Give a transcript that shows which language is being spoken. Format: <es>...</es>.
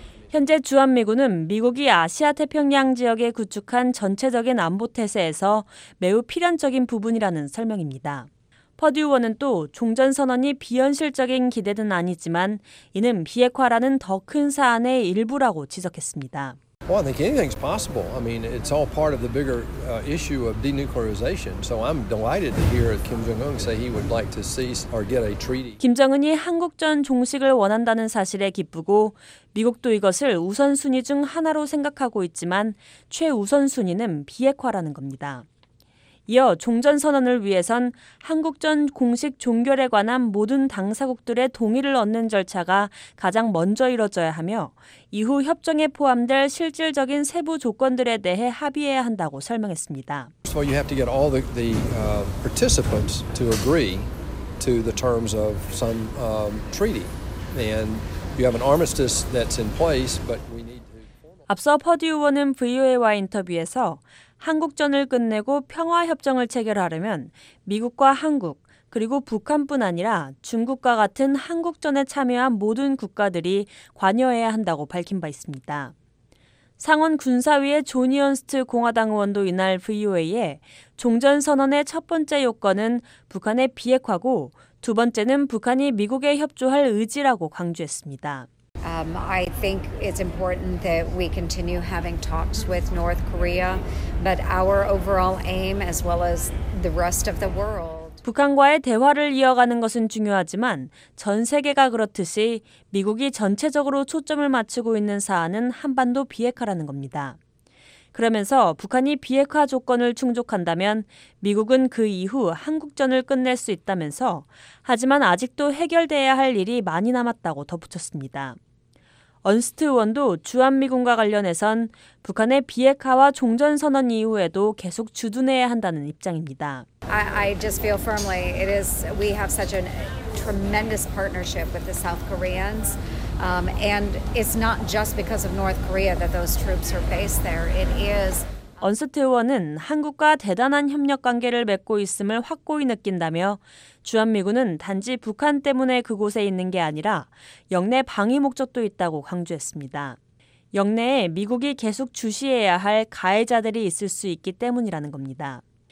<ko>현재 주한미군은 미국이 아시아 태평양 지역에 구축한 전체적인 안보 태세에서 매우 필연적인 부분이라는 설명입니다. 퍼듀 의원은 또 종전선언이 비현실적인 기대는 아니지만 이는 비핵화라는 더 큰 사안의 일부라고 지적했습니다.</ko> <en>Well, I think anything's possible. I mean, it's all part of the bigger issue of denuclearization. So I'm delighted to hear Kim Jong-un say he would like to see or get a treaty.</en> <ko>김정은이 한국전 종식을 원한다는 사실에 기쁘고 미국도 이것을 우선순위 중 하나로 생각하고 있지만 최우선순위는 비핵화라는 겁니다. 이어 종전선언을 위해선 한국전 공식 종결에 관한 모든 당사국들의 동의를 얻는 절차가 가장 먼저 이뤄져야 하며 이후 협정에 포함될 실질적인 세부 조건들에 대해 합의해야 한다고 설명했습니다.</ko> <en>So you have to get all the participants to agree to the terms of some treaty. And you have an armistice that's in place, but we need to...</en> <ko>앞서 퍼듀 의원은 VOA와 인터뷰에서 한국전을 끝내고 평화협정을 체결하려면 미국과 한국, 그리고 북한뿐 아니라 중국과 같은 한국전에 참여한 모든 국가들이 관여해야 한다고 밝힌 바 있습니다. 상원 군사위의 존 이언스트 공화당 의원도 이날 VOA에 종전선언의 첫 번째 요건은 북한의 비핵화고 두 번째는 북한이 미국에 협조할 의지라고 강조했습니다.</ko> <en>I think it's important that we continue having talks with North Korea, but our overall aim, as well as the rest of the world,</en> <ko>북한과의 대화를 이어가는 것은 중요하지만 전 세계가 그렇듯이 미국이 전체적으로 초점을 맞추고 있는 사안은 한반도 비핵화라는 겁니다. 그러면서 북한이 비핵화 조건을 충족한다면 미국은 그 이후 한국전을 끝낼 수 있다면서 하지만 아직도 해결돼야 할 일이 많이 남았다고 덧붙였습니다. 언스트 의원도 주한미군과 관련해선 북한의 비핵화와 종전선언 이후에도 계속 주둔해야 한다는 입장입니다.</ko> <en>I just feel firmly it is we have such a tremendous partnership with the South Koreans. And it's not just because of North Korea that those troops are based there. It is</en> <ko>언스트 의원은 한국과 대단한 협력 관계를 맺고 있음을 확고히 느낀다며 주한미군은 단지 북한 때문에 그곳에 있는 게 아니라 영내 방위 목적도 있다고 강조했습니다. 영내에 미국이 계속 주시해야 할 가해자들이 있을 수 있기 때문이라는 겁니다.</ko>